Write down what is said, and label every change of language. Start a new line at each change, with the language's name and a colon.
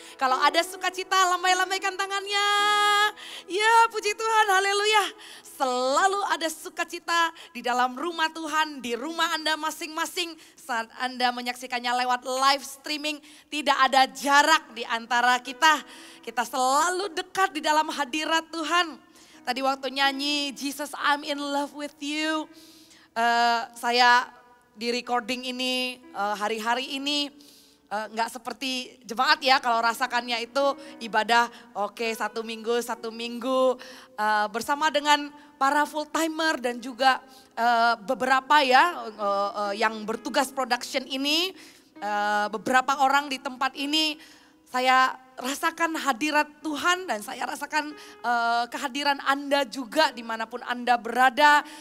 Indonesian: Kalau ada sukacita, lambai-lambaikan tangannya. Ya puji Tuhan, haleluya. Selalu ada sukacita di dalam rumah Tuhan, di rumah Anda masing-masing. Saat Anda menyaksikannya lewat live streaming, tidak ada jarak di antara kita. Kita selalu dekat di dalam hadirat Tuhan. Tadi waktu nyanyi,
English: Jesus I'm in love with you.
Indonesian: Saya di recording ini, hari-hari ini, gak seperti jemaat ya, kalau rasakannya itu ibadah, oke, satu minggu, bersama dengan para full timer dan juga beberapa ya yang bertugas production ini, beberapa orang di tempat ini, saya rasakan hadirat Tuhan dan saya rasakan kehadiran Anda juga dimanapun Anda berada.